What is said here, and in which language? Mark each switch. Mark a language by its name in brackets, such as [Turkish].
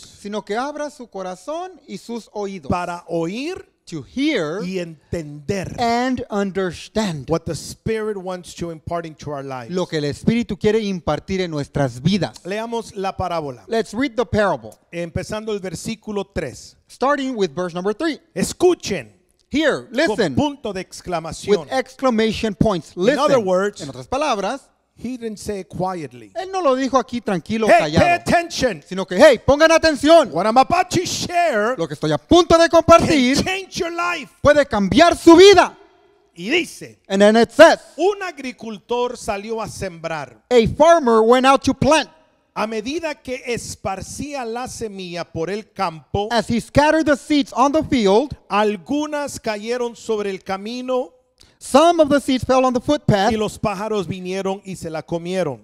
[Spanish] Sino que abra su corazón y sus oídos. Para oír. [English] To hear [Spanish] y entender [English] and understand what the Spirit wants to impart into our lives. [Spanish] Lo que el Espíritu quiere impartir en nuestras vidas. Leamos la parábola. [English] Let's read the parable. [Spanish] Empezando el versículo 3. [English] Starting with verse number 3. [Spanish] Escuchen. [English] Here, listen. [Spanish] Con punto de exclamación. [English] With exclamation points. Listen. In other words, [Spanish] en otras palabras, [English] he didn't say it quietly. [Spanish] Él no lo dijo aquí tranquilo, [English] hey, [Spanish] callado. [English] Pay attention. [Spanish] Sino que, hey, pongan atención. [English] What I'm about to share. [Spanish] Lo que estoy a punto de compartir. [English] Can change your life. [Spanish] Puede cambiar su vida. Y dice. [English] And then it says. [Spanish] Un agricultor salió a sembrar. [English] A farmer went out to plant. [Spanish] A medida que esparcía la semilla por el campo. [English] As he scattered the seeds on the field. [Spanish] Algunas cayeron sobre el camino. [English] Some of the seeds fell on the footpath. [Spanish] Y los pájaros vinieron y se la comieron.